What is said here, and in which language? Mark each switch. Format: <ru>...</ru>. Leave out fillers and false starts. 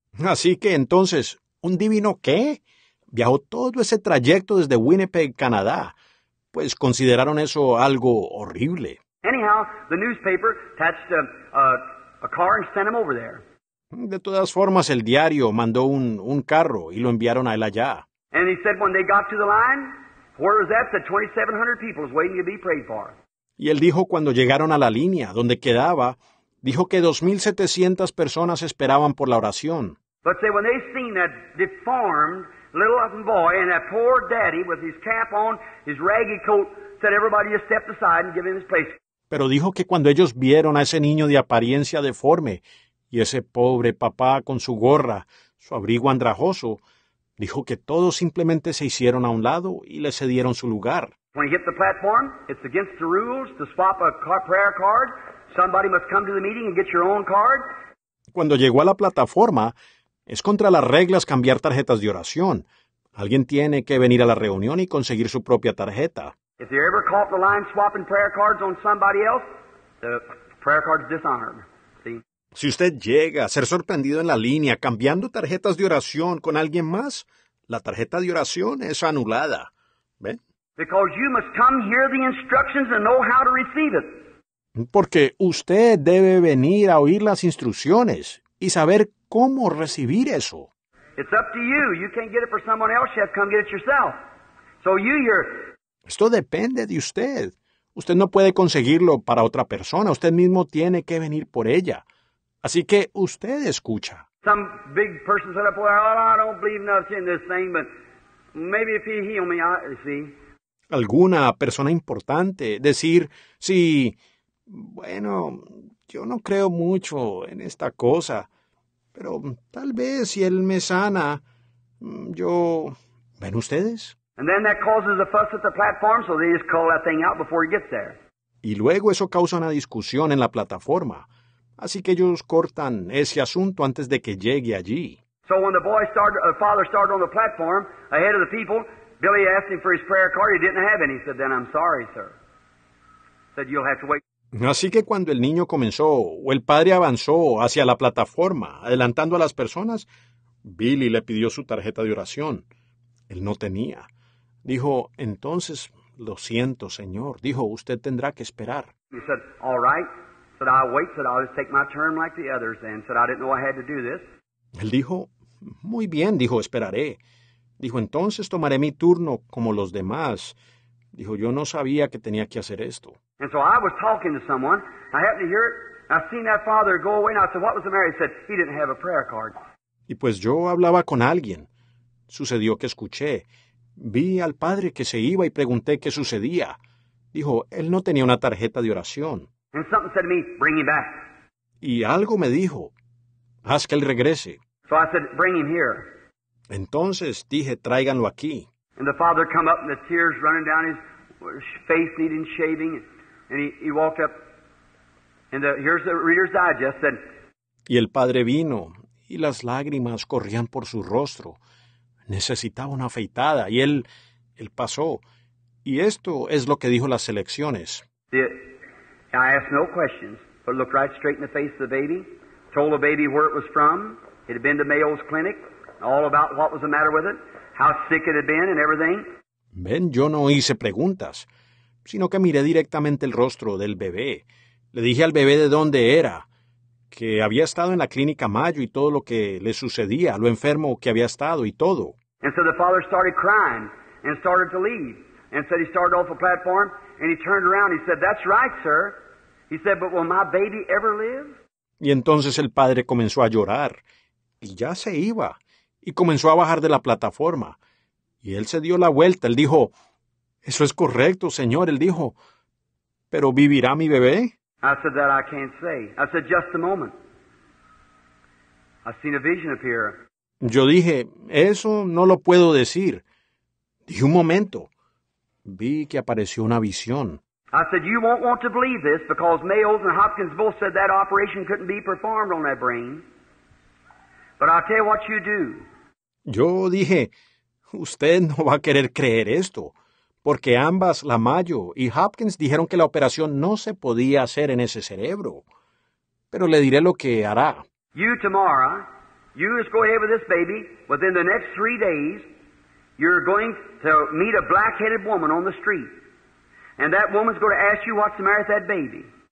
<es>Así que entonces, ¿un divino qué? Viajó todo ese trayecto desde Winnipeg, Canadá. Pues consideraron eso algo horrible.</es> <en>Anyhow, the newspaper attached a car and sent him over there.</en> <es>De todas formas, el diario mandó un carro y lo enviaron a él allá.</es> <en>And he said when they got to the line, where was that? The 2,700 people was waiting to be prayed for.</en> <es>Y él dijo cuando llegaron a la línea, donde quedaba, dijo que 2,700 personas esperaban por la oración.</es> <en>But say, when they seen that deformed little boy and that poor daddy with his cap on, his ragged coat, said everybody just step aside and give him his place.</en> <es>Pero dijo que cuando ellos vieron a ese niño de apariencia deforme, y ese pobre papá con su gorra, su abrigo andrajoso, dijo que todos simplemente se hicieron a un lado y le cedieron su lugar.</es> <en>When you hit the platform, it's against the rules to swap a prayer card. Somebody must come to the meeting and get your own card.</en> <es>Cuando llegó a la plataforma, es contra las reglas cambiar tarjetas de oración. Alguien tiene que venir a la reunión y conseguir su propia tarjeta.</es> <en>If you're ever caught the line swapping prayer cards on somebody else, the prayer card's dishonored.</en> <es>Si usted llega a ser sorprendido en la línea cambiando tarjetas de oración con alguien más, la tarjeta de oración es anulada. ¿Ven?</es> <en>Because you must come hear the instructions and know how to receive it.</en> <es>Porque usted debe venir a oír las instrucciones y saber cómo recibir eso.</es> <en>It's up to you. You can't get it for someone else. You have to come get it yourself. So you hear.</en> <es>Esto depende de usted. Usted no puede conseguirlo para otra persona. Usted mismo tiene que venir por ella. Así que usted escucha.</es> <en>Some big person said, "Well, I don't believe enough in this thing, but maybe if he healed me, I see."</en> <es>Alguna persona importante decir, "Sí, bueno, yo no creo mucho en esta cosa, pero tal vez si él me sana, yo, ¿ven ustedes?"</es> <en>And then that causes a fuss at the platform, so they just call that thing out before he gets there.</en> <es>Y luego eso causa una discusión en la plataforma. Así que ellos cortan ese asunto antes de que llegue allí.</es> <en>So when the boy started, the father started on the platform ahead of the people, Billy asked him for his prayer card. He didn't have any. He said, "Then I'm sorry, sir." Said, "You'll have to wait."</en> <es>Así que cuando el niño comenzó, o el padre avanzó hacia la plataforma, adelantando a las personas, Billy le pidió su tarjeta de oración. Él no tenía. Dijo, "Entonces, lo siento, señor." Dijo, "Usted tendrá que esperar."</es> <en>He said, "All right." Said, "I'll wait. Said, I'll just take my turn like the others then." Said, "I didn't know I had to do this."</en> <es>Él dijo, "Muy bien." Dijo, "Esperaré." Dijo, "Entonces tomaré mi turno como los demás." Dijo, "Yo no sabía que tenía que hacer esto."</es> <en>And so I was talking to someone. I happened to hear it. I seen that father go away. And I said, "What was the matter?" He said, "He didn't have a prayer card."</en> <es>Y pues yo hablaba con alguien. Sucedió que escuché. Vi al padre que se iba y pregunté qué sucedía. Dijo, él no tenía una tarjeta de oración.</es> <en>And something said to me, "Bring him back."</en> <es>Y algo me dijo, "Haz que él regrese."</es> <en>So I said, "Bring him here."</en> <es>Entonces dije, "Tráiganlo aquí."</es> <en>And the father come up and the tears running down his face needing shaving. And he walked up. And here's the Reader's Digest said.</en> <es>Y el padre vino, y las lágrimas corrían por su rostro. Necesitaba una afeitada, y él pasó. Y esto es lo que dijo las selecciones.</es> <en>I asked no questions, but looked right straight in the face of the baby, told the baby where it was from, it had been to Mayo's clinic, all about what was the matter with it, how sick it had been and everything.</en> <es>Ben, yo no hice preguntas, sino que miré directamente el rostro del bebé. Le dije al bebé de dónde era, que había estado en la clínica Mayo y todo lo que le sucedía, lo enfermo que había estado y todo.</es> <en>And so the father started crying and started to leave. And said he started off a platform and he turned around. He said, "That's right, sir." He said, "But will my baby ever live?"</en> <es>Y entonces el padre comenzó a llorar y ya se iba y comenzó a bajar de la plataforma. Y él se dio la vuelta. Él dijo, "Eso es correcto, señor." Él dijo, "¿Pero vivirá mi bebé?"</es> <en>I said, "That I can't say." I said, "Just a moment. I've seen a vision appear."</en> <es>Yo dije, "Eso no lo puedo decir." Dije, "Un momento. Vi que apareció una visión."</es> <en>I said, "You won't want to believe this because Mayo's and Hopkins both said that operation couldn't be performed on that brain. But I'll tell you what you do."</en> <es>Yo dije, "Usted no va a querer creer esto, porque ambas, la Mayo y Hopkins, dijeron que la operación no se podía hacer en ese cerebro. Pero le diré lo que hará."</es> <en>"You tomorrow, you just go ahead with this baby. Within the next 3 days, you're going to meet a black-headed woman on the street. And that woman's going to ask you what's the matter with that baby."</en>